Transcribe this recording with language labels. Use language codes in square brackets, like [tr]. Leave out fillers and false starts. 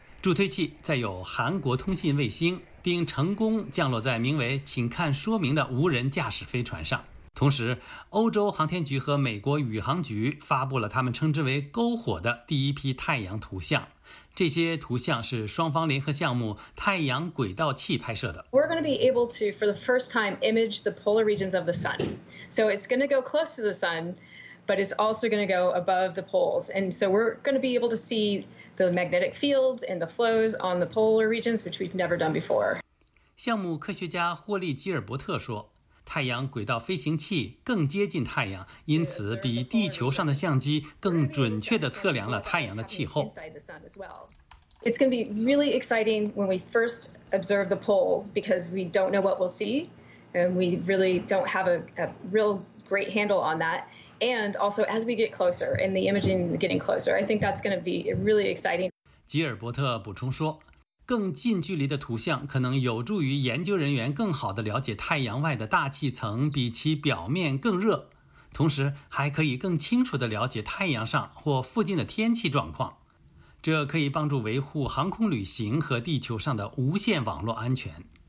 [zh] 助推器载有韩国通信卫星，并成功降落在名为请看说明的无人驾驶飞船上。同时，欧洲航天局和美国宇航局发布了他们称之为篝火的第一批太阳图像。这些图像是双方联合项目太阳轨道器拍摄的。 [en] We're going to be able to, for the first time, image the polar regions of the sun. So it's going to go close to the sun, but it's also going to go above the poles. And so we're going to be able to see the magnetic fields and the flows on the polar regions, which we've never done before. [zh] 项目科学家霍利·吉尔伯特说，太阳轨道飞行器更接近太阳，因此比地球上的相机更准确地测量了太阳的气候。 [en] It's going to be really exciting when we first observe the poles because we don't know what we'll see, and we really don't have a real great handle on that. And also as we get closer and the imaging getting closer, I think that's going to be really exciting. [zh] 吉尔伯特补充说，更近距离的图像可能有助于研究人员更好地了解太阳外的大气层比其表面更热，同时还可以更清楚地了解太阳上或附近的天气状况，这可以帮助维护航空旅行和地球上的无线网络安全。